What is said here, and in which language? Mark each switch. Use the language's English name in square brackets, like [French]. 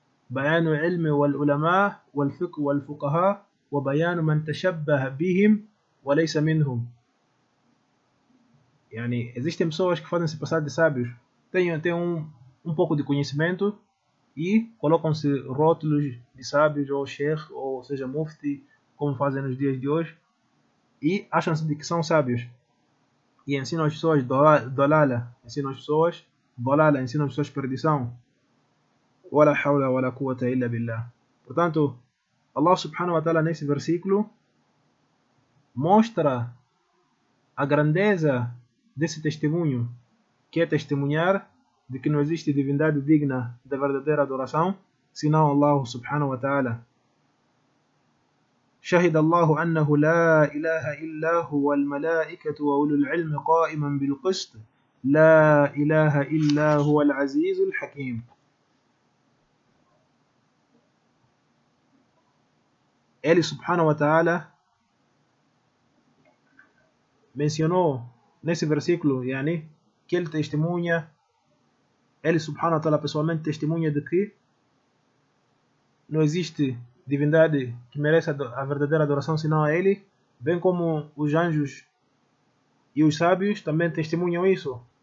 [Arabic] بيان العلم والعلماء والفقه والفقهاء وبيان من تشبه بهم وليس منهم. [Portuguese] يعني existem pessoas que fazem-se passar de sábios, têm um pouco de conhecimento e colocam-se rótulos de sábios ou sheikh ou seja mufti, como fazem nos dias de hoje, e acham-se de que são sábios e ensinam as pessoas dolala, ensinam as pessoas perdição. [Arabic] ولا حول ولا قوة إلا بالله. [Portuguese] Portanto, Allah subhanahu wa ta'ala nesse versículo mostra a grandeza desse testemunho, que é testemunhar de que não existe divindade digna da verdadeira adoração senão Allah subhanahu wa ta'ala. [Arabic] شهد الله أنه لا إله إلا هو والملائكة وأولو العلم قائما بالقسط لا إله إلا هو العزيز الحكيم. [Portuguese] Ele, subhanahu wa ta'ala, mencionou nesse versículo, yani, que ele testemunha, ele, subhanahu wa ta'ala, pessoalmente testemunha de que não existe divindade que mereça a verdadeira adoração senão a ele, bem como os anjos e os sábios também testemunham isso.